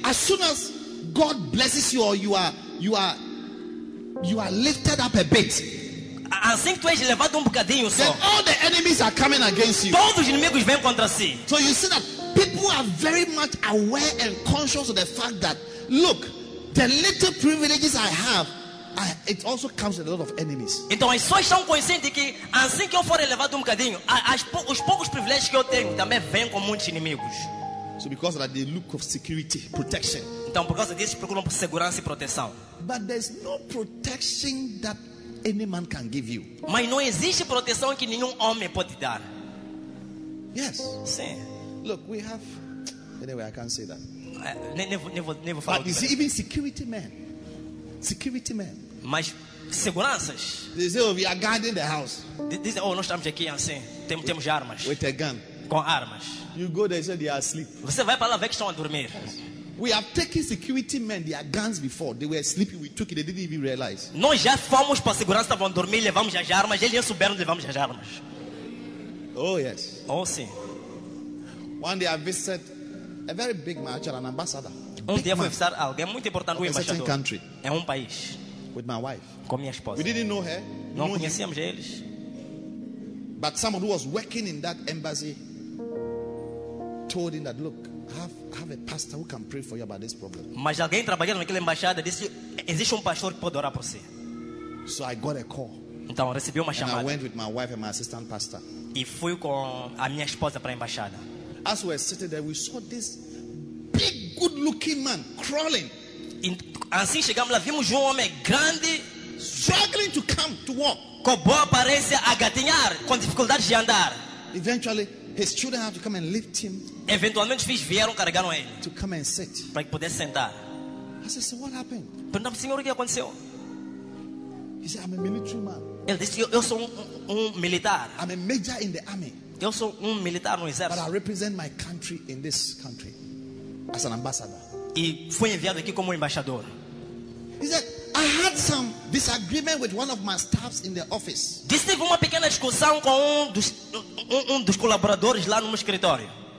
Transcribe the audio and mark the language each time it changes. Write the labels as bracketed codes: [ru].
[en] As soon as God blesses you, or you are lifted up a bit. [pt] Assim que tu és levado bocadinho só. [en] Then all the enemies are coming against you. [pt] Todos os inimigos vêm contra si. [en] So you see that people are very much aware and conscious of the fact that, look, the little privileges I have, it also comes with a lot of enemies. [pt] Então as pessoas estão conscientes que assim que eu for elevado bocadinho, os poucos privilégios que eu tenho também vêm com muitos inimigos. [en] So because of that, they look for security, protection. [pt] Então por causa disso procuram por segurança e proteção. [en] But there's no protection that any man can give you. [pt] Mas não existe proteção que nenhum homem pode dar. [en] Yes. [pt] Sim. [en] Look, we have. Anyway, I can't say that. Never but you see, even security men. Security men. [pt] Mas seguranças. [en] They say, oh, we are guarding the house. This, oh, [pt] nós estamos aqui assim. Temos armas. [en] With a gun. [pt] Com armas. [en] You go there, they are asleep. [pt] Você vai para lá, vê que estão a dormir. [en] Yes. We have taken security men, their guns before. They were sleeping, we took it, they didn't even realize. [pt] Nós já fomos para a segurança, estavam a dormir, levamos as armas. Eles já souberam, levamos as armas. [en] Oh, yes. [pt] Oh, sim. [en] One day I visited a very big man, actually an ambassador. [pt] Um dia fui visitar alguém muito importante, um embaixador. [en] A certain country. [pt] É um país. [en] With my wife. [pt] Com minha esposa. [en] We didn't know her. [pt] Não conhecíamos eles. [en] But someone who was working in that embassy told him that, look, I have a pastor who can pray for you about this problem. [pt] Mas alguém trabalhando naquela embaixada disse, existe pastor que pode orar por você. [en] So I got a call. [pt] Então recebi uma chamada. [en] And I went with my wife and my assistant pastor. [pt] E fui com a minha esposa para a embaixada. [en] As we were sitting there, we saw this big, good-looking man crawling. [pt] Assim chegamos lá, vimos homem grande [en] struggling to come to walk. [pt] Com boa aparência, a gatinhar, com dificuldades de andar. [en] Eventually, his children had to come and lift him. [pt] Eventualmente os filhos vieram carregaram ele. [en] To come and sit. [pt] Para que pudesse sentar. [en] I said, so what happened? [pt] Perguntamos, senhor, o que aconteceu? [en] He said, I'm a military man. [pt] Ele disse, eu sou um militar. [en] I'm a major in the army. [pt] Eu sou militar no exército. [en] But I represent my country in this country as an ambassador. [pt] E fui enviado aqui como embaixador. [en] He said, I had some disagreement with one of my staffs in the office. [pt] Disse, tive uma pequena discussão com um dos colaboradores lá no meu escritório.